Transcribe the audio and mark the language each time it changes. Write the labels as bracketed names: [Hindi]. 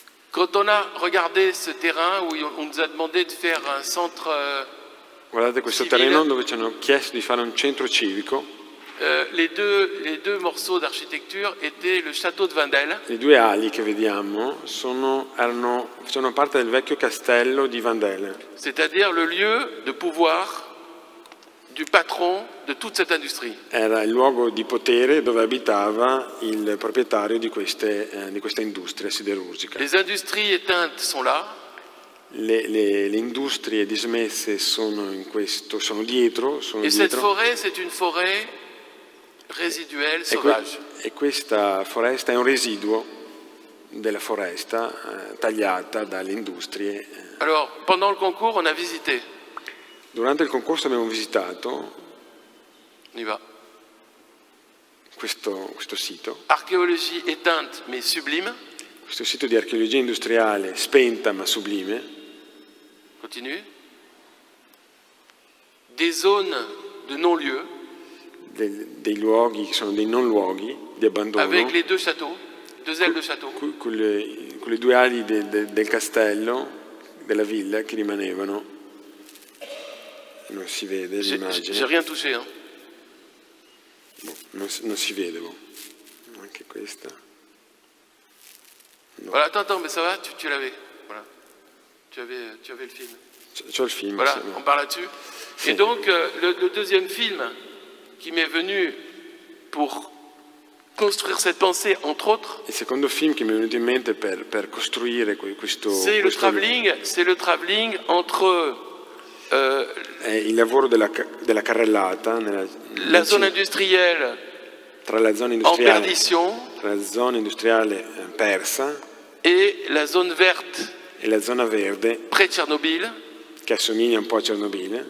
[French] Quand on a regardé ce terrain où on nous a demandé de faire un centre [Italian] guardate questo terreno dove ci hanno chiesto di fare un centro civico. [French] Les deux morceaux d'architecture étaient le château de Vendel. [Italian] I due ali che vediamo sono parte del vecchio castello di Vendel. [French] C'est-à-dire le lieu de pouvoir du patron de toute cette industrie. [Italian] Era il luogo di potere dove abitava il proprietario di questa industria siderurgica. [French] Les industries éteintes sont là. [Italian] Le industrie dismesse sono dietro. [French] Et cette forêt, c'est une forêt résiduelle sauvage. [Italian] E questa foresta è un residuo della foresta tagliata dalle industrie. [French] Alors, pendant le concours, on a visité. [Italian] Durante il concorso abbiamo visitato questo sito. [French] Archéologie éteinte mais sublime. [Italian] Questo sito di archeologia industriale spenta ma sublime. [French] Continue. Des zones de non-lieu. [Italian] Dei luoghi che sono dei non luoghi di abbandono. [French] Avec les deux châteaux, deux ailes de château. [Italian] Con le due ali del castello, della villa che rimanevano. Non si vede l'immagine. [French] J'ai rien touché. Hein. [Italian] Bon, non si vede. Bon. Anche questa. No. [French] Voilà, attends, mais ça va, tu l'avais. Voilà. Tu avais le film. [Italian] C'ho il film. [French] Voilà, on parle là-dessus. Sì. Et donc, le deuxième film qui m'est venu pour construire cette pensée, entre autres. [Italian] Il secondo film che mi è venuto in mente per costruire questo. [French] C'est le traveling entre. [Italian] Il lavoro della carrellata la zona industriale tra la zona industriale [French] in perdition [Italian] tra la zona industriale persa e la zona verde e la zona verde [French] pre Chernobyl [Italian] che assomiglia un po' a Chernobyl